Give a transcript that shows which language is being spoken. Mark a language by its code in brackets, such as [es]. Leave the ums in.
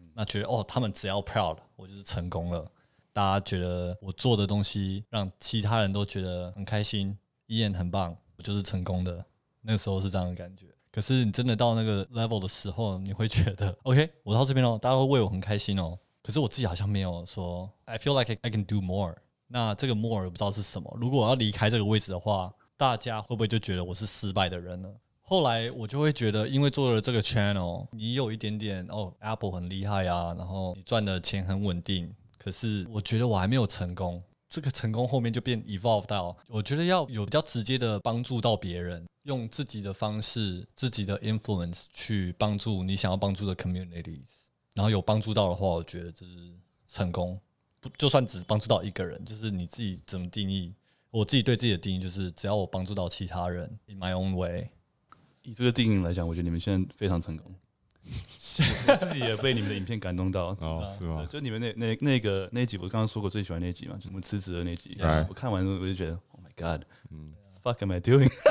[zh] 那觉得哦，他们只要 proud，我就是成功了。大家觉得我做的东西让其他人都觉得很开心，依然很棒，我就是成功的。那个时候是这样的感觉。可是你真的到那个 level 的时候，你会觉得 OK，我到这边哦，大家会为我很开心哦。可是我自己好像没有说 [en] I feel like I can do more。 [zh] 那这个 more 不知道是什么？如果我要离开这个位置的话，大家会不会就觉得我是失败的人呢？后来我就会觉得，因为做了这个 channel，你有一点点哦，Apple 很厉害啊，然后你赚的钱很稳定。可是我觉得我还没有成功。这个成功后面就变 evolve 到，我觉得要有比较直接的帮助到别人，用自己的方式、自己的 influence 去帮助你想要帮助的 communities，然后有帮助到的话，我觉得就是成功。不，就算只帮助到一个人，就是你自己怎么定义？我自己对自己的定义就是，只要我帮助到其他人， [en] in my own way。 [zh] 以这个定义来讲，我觉得你们现在非常成功。我自己也被你们的影片感动到哦，是吗？就你们那那那个那集，我刚刚说过最喜欢那集嘛，就我们辞职的那集。我看完之后我就觉得， [en] Oh my God， [zh] 嗯， [en] Fuck am I doing？